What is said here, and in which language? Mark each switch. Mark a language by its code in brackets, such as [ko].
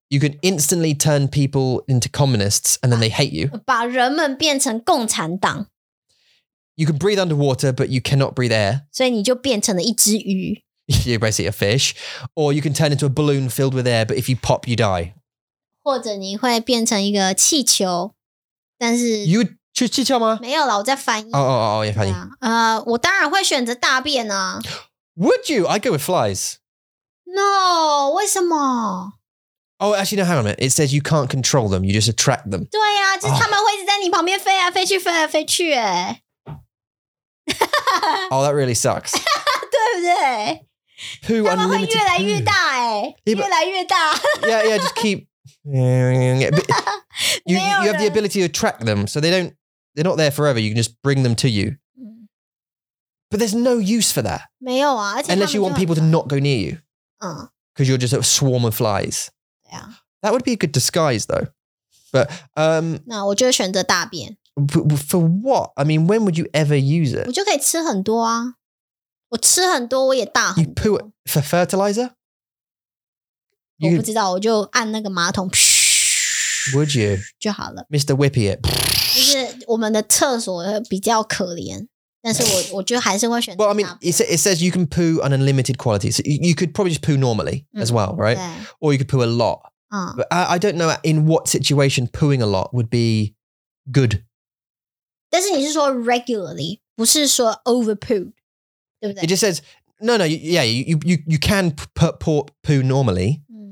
[en] You can instantly turn people into communists, and then they hate you. [zh] 把人们变成共产党。 [en] You can breathe underwater, but you cannot breathe air. [zh] 所以你就变成了一只鱼。 [en] You're basically a fish. Or you can turn into a balloon filled with air, but if you pop, you die. [zh] 或者你会变成一个气球，但是 [en] You would choose [zh] 气球吗？没有啦，我在翻译。哦哦哦，也翻译。我当然会选择大便啊。 [en] Would you? I'd go with flies. No, [zh] 为什么？ [en] Oh, actually, no, hang on a minute. It says you can't control them, you just attract them. [zh] 对啊，就是他们会一直在你旁边飞啊飞去，飞来飞去耶。 [en] Oh, that really sucks. [zh] 对不对？ [en] Poo unlimited poo. [zh] 他们会越来越大耶，越来越大。 [en] Yeah, yeah, just keep... you have the ability to attract them, so they're not there forever. You can just bring them to you. But there's no use for that. [zh] 没有啊， [en] unless you want people to not go near you. Because you're just a swarm of flies. Yeah. That would be a good disguise, though. But, [zh] 那我就选择大便。 [en] For what? I mean, when would you ever use it? [zh] 我就可以吃很多啊。我吃很多，我也大很多。 [en] You poo it for fertilizer? [zh] 我不知道，我就按那个马桶。 [en] Would you? [zh] 就好了。 [en] Mr. Whippy it. [zh] 就是我们的厕所比较可怜。但是我就还是会选择大便。 [en] Well, I mean, it says you can poo an unlimited quality. So you could probably just poo normally as well, right? Or you could poo a lot. But I don't know in what situation pooing a lot would be good. [zh] 但是你是说 [en] regularly, [zh] 不是说 [en] overpooed, [zh] 对不对? [en] It just says, no, yeah, you can poo normally.